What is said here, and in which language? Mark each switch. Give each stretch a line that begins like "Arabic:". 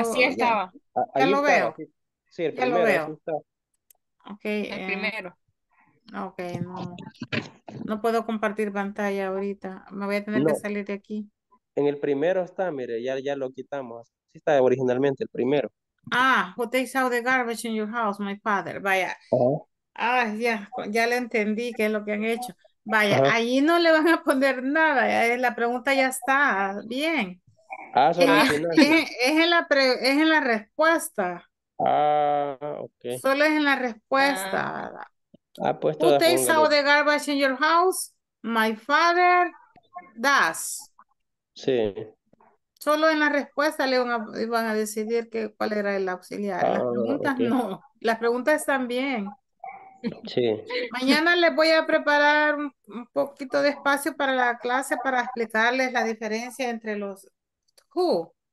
Spanish: así estaba. Ya, ya lo estaba, veo. Sí. Sí, el primero. Ya lo veo. Okay, el primero. Ok, no puedo compartir pantalla ahorita. Me voy a tener que salir de aquí. En el primero está, mire, ya lo quitamos. Sí está originalmente, el primero.
English: Ah, who takes out the garbage in your house, my father.
Spanish: Vaya. Uh-huh. Ah, ya le entendí qué es lo que han hecho. Vaya, uh-huh. Ahí no le van a poner nada. La pregunta ya está bien. Ah, es en la respuesta. Ah, okay. Solo es en la respuesta. Ah, pues
English: who takes out the garbage in your house? My father does.
Spanish: Sí. Solo en la respuesta le van a decidir que cuál era el auxiliar. Ah, las preguntas okay. No. Las preguntas están bien. Sí. Mañana les voy a preparar un poquito de espacio para la clase para explicarles la diferencia entre los who.